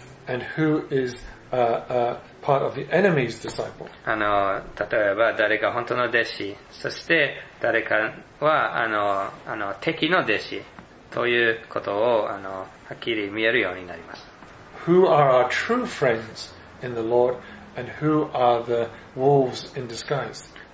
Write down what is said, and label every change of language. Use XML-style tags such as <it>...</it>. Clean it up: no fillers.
<en>And who is part of the enemy's disciple?</en> <ja>例えば誰が本当の弟子、そして誰かは敵の弟子ということをはっきり見えるようになります。</ja> <en>Who are our true friends in the Lord, and who are the wolves in disguise?</en>